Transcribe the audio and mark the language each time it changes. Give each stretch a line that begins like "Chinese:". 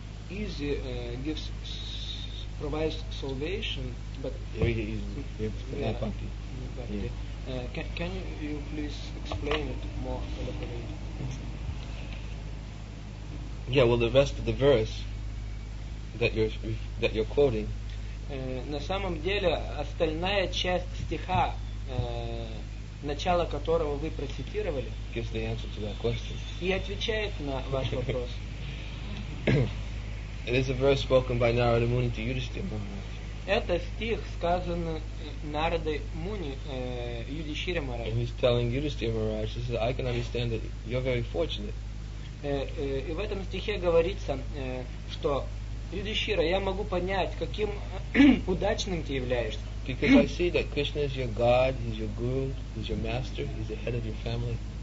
English: easy gives provides salvation, but very easy. Yeah, bhakti. Yeah. Can you please explain it more elaborately? Yeah, well, the rest of the verse that you're quoting.
Russian: На самом деле остальная часть стиха, начало которого вы процитировали,
English: gives the answer to that question.
Russian: И отвечает на ваш вопрос.
English: It is a verse spoken by Narada Muni to Yudhishthira Maharaj.
Russian: Это стих, сказанный Нарадой Муни Юдишире Махараджу.
English: And he's telling Yudhishthira Maharaj, he says, I can understand that you're very fortunate.
Russian: И в этом стихе говорится, что Юдишира, я могу понять, каким удачным ты являешься.
English: Because I see that Krishna is your God, he's your guru, he's your master, he's the head of your family.